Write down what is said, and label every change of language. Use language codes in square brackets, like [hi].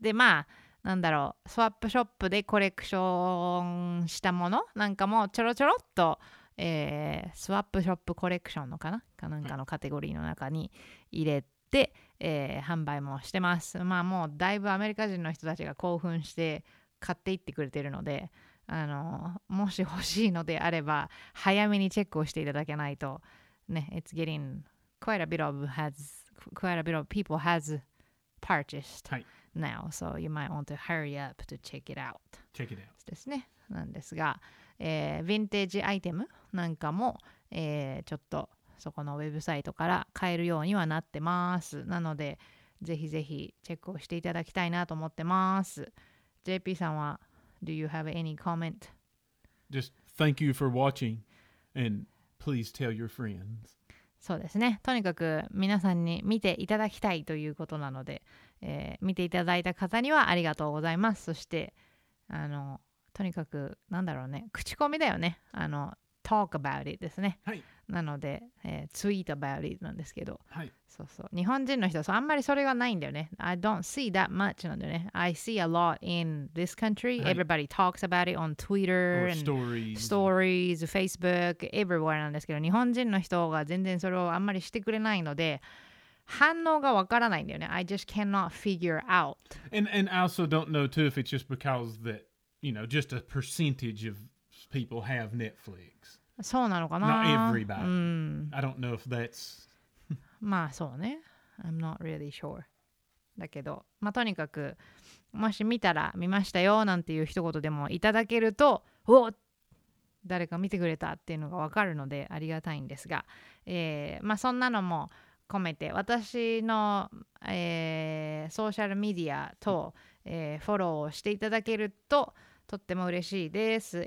[ja] で、まあ、なんだろう、スワップショップでコレクションしたものなんかもちょろちょろっと、スワップショップコレクションのかなかなんかのカテゴリーの中に入れて、販売もしてます。まあ、もうだいぶアメリカ人の人たちが興奮して買っていってくれてるので、もし欲しいのであれば、早めにチェックをしていただけないと、ね、 [en] It's getting quite a bit of has... Quite a bit of people has purchased、 [ja] はい、 [en] now, so you might want to hurry up to check it out. Check it out. [ja] ですね。なんですが、ヴィンテージアイテムなんかも、ちょっとそこのウェブサイトから買えるようにはなってます。なので、ぜひぜひチェックをしていただきたいなと思ってます。 [en] JP さんは、Do you have any comment? Just thank you for watching and please tell your friends. [ja] そうですね、とにかく皆さんに見ていただきたいということなので、見ていただいた方にはありがとうございます。そしてとにかくなんだろうね、口コミだよね、 [en] talk about it [ja] ですね、はい、なので、 [en] tweet about it [ja] なんですけど、はい、そうそう、日本人の人はそう、あんまりそれがないんだよね。 [en] I don't see that much [ja] なんだよね。 [en] I see a lot in this country、はい、Everybody talks about it on Twitter or and stories, Facebook, everywhere [ja] なんですけど、日本人の人が全然それをあんまりしてくれないので反応がわからないんだよね。 [en] I just cannot figure out. And I also don't know too if it's just because that, you know, just a percentage ofPeople have Netflix. [ja] そうなのかな? [en] Not everybody.、うん、I don't know if that's... [ja] まあそうね。 [en] I'm not really sure. [ja] だけど、まあとにかく、もし見たら見ましたよなんていう一言でもいただけると、お誰か見てくれたっていうのがわかるのでありがたいんですが、まあそんなのも込めて、私の、ソーシャルメディアと、フォローをしていただけると、とっても嬉しいです。